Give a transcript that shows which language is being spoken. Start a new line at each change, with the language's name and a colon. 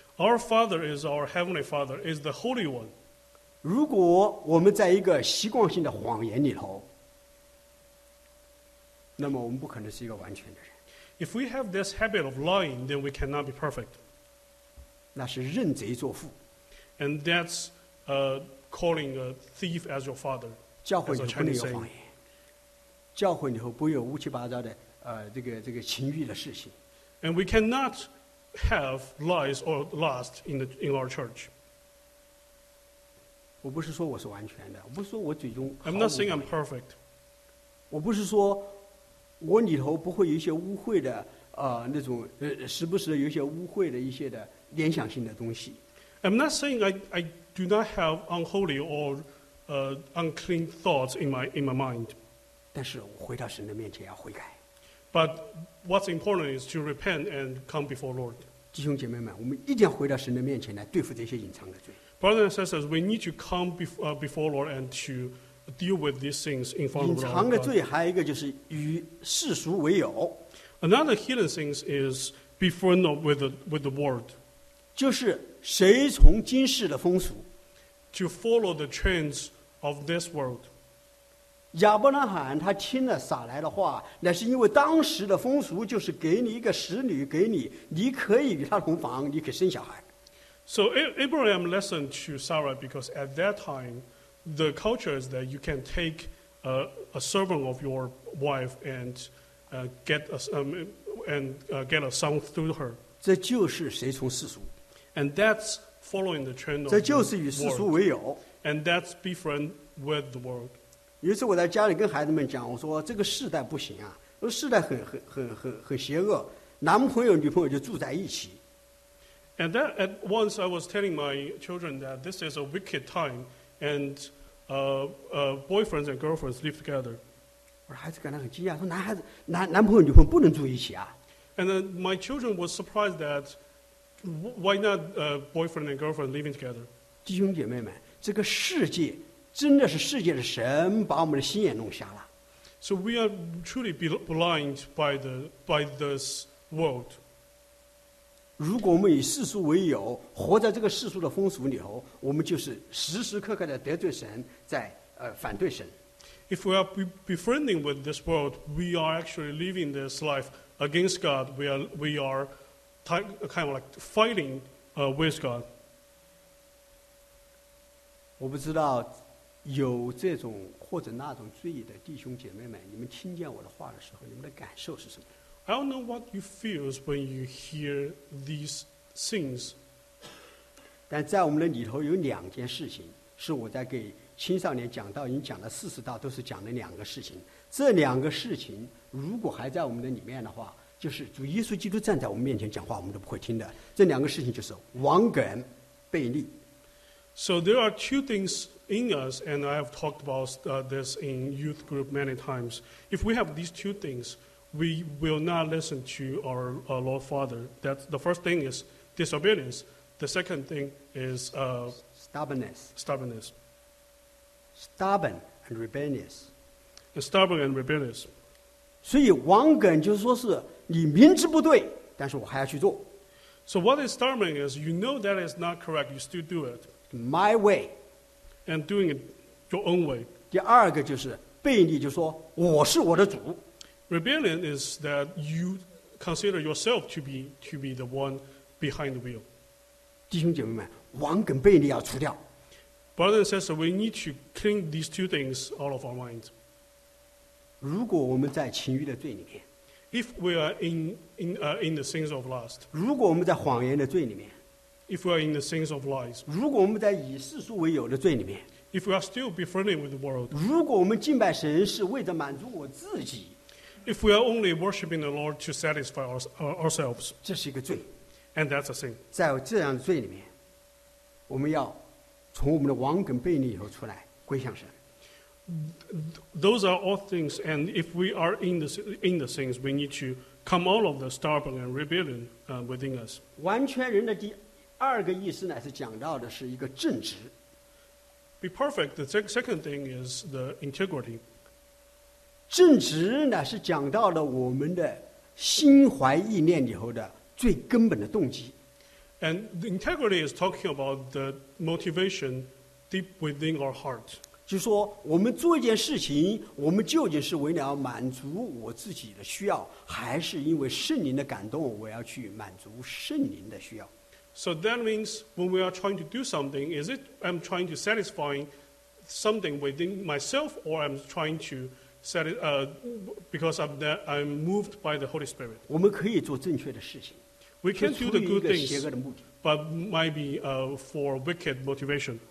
English: Our father is our heavenly father, is the holy one.
Chinese: 如果我们在一个习惯性的谎言里头，那么我们不可能是一个完全的人。
English: If we have this habit of lying, then we cannot be perfect.
Chinese: 那是认贼作父。
English: And that's calling a thief as your father.
Chinese: 教会就不能有谎言。教会里头不有乌七八糟的这个情欲的事情。
English: And we cannot have lies or lust in our church.
Chinese: 我不是说我是完全的，我不是说我最终。
English: I'm not saying I'm perfect.
Chinese: 我不是说我里头不会有一些污秽的那种时不时的有一些污秽的一些的联想性的东西。
English: I'm not saying I do not have unholy or unclean thoughts in my mind.
Chinese: 但是我回到神的面前要悔改。
English: But what's important is to repent and come before the Lord.
Chinese: 弟兄姐妹们，我们一定要回到神的面前来对付这些隐藏的罪。
English: Brothers and sisters, we need to come before the Lord and to deal with these things in front of the Lord.
Chinese: 隐藏的罪还有一个就是与世俗为友。
English: Another hidden thing is be friendly with the world.
Chinese: 就是随从今世的风俗。
English: To follow the trends of this world.
Chinese: 亚伯拉罕他听了撒来的话，那是因为当时的风俗就是给你一个使女，给你，你可以与他同房，你可以生小孩。
English: So Abraham listened to Sarah because at that time the culture is that you can take a servant of your wife and get a son through her.
Chinese: 这就是随从世俗。
English: And that's following the trend of the world.
Chinese: 这就是与世俗为友。
English: And that's be friend with the world.
Chinese: 有一次我在家里跟孩子们讲，我说这个世代不行啊，这世代很邪恶，男朋友女朋友就住在一起。
English: And that at once I was telling my children that this is a wicked time, and boyfriends and girlfriends live together.
Chinese: 我孩子感到很惊讶，说男孩子男朋友女朋友不能住一起啊。
English: And then my children were surprised that. Why not boyfriend and girlfriend living together?
Chinese: 弟兄姐妹们，这个世界真的是世界的神把我们的心眼弄瞎了。
English: So we are truly blind by this world.
Chinese: 如果我们以世俗为友，活在这个世俗的风俗里头，我们就是时时刻刻的得罪神，在反对神。
English: If we are befriending with this world, we are actually living this life against God. We are. Kind of like fighting with God.
Chinese: 我不知道有这种或者那种罪的弟兄姐妹们，你们听见我的话的时候，你们的感受是什么
English: ？I don't know what you feel when you hear these things.
Chinese: 但在我们的里头有两件事情，是我在给青少年讲到，已经讲了40道，都是讲的两个事情。这两个事情如果还在我们的里面的话。就是主耶稣基督站在我们面前讲话，我们都不会听的。这两个事情就是枉梗、悖逆。
English: So there are two things in us, and I have talked about this in youth group many times. If we have these two things, we will not listen to our Lord Father. That the first thing is disobedience. The second thing is stubbornness. Stubbornness. Stubborn and rebellious. And stubborn and rebellious.
Chinese: 所以枉梗就是说是。你明知不对，但是我还要去做。
English: So what is stubborn is you know that is not correct, you still do it. My way. And doing it your own way.
Chinese: 第二个就是悖逆，就说我是我的主。
English: Rebellion is that you consider yourself to be the one behind the wheel.
Chinese: 弟兄姐妹们，枉梗悖逆要除掉。
English: Brother and sister, we need to clean these two things out of our minds.
Chinese: 如果我们在情欲的罪里面。
English: If we are in the sins of lust,
Chinese: 如果我们在谎言的罪里面
English: ，If we are in the sins of lies,
Chinese: 如果我们在以世俗为友的罪里面
English: ，If we are still befriending with the world,
Chinese: 如果我们敬拜神是为了满足我自己
English: ，If we are only worshiping the Lord to satisfy ourselves,
Chinese: 这是一个罪
English: ，And that's a sin.
Chinese: 在这样的罪里面，我们要从我们的枉梗悖逆里头出来，归向神。
English: Those are all things, and if we are in the things, we need to come out of the stubborn and rebellion within us.
Chinese: 完全人的第二个意思呢，是讲到的是一个正直。
English: Be perfect. The second thing is the integrity.
Chinese: 正直呢，是讲到了我们的心怀意念里头的最根本的动机。
English: And the integrity is talking about the motivation deep within our heart.
Chinese: 就是说我们做一件事情，我们究竟是为了满足我自己的需要，还是因为圣灵的感动，我要去满足圣灵的需要
English: ？So that means when we are trying to do something, is it I'm trying to satisfy something within myself, or I'm trying to because I'm moved by the Holy Spirit. We can do the good things, but might be for wicked motivation.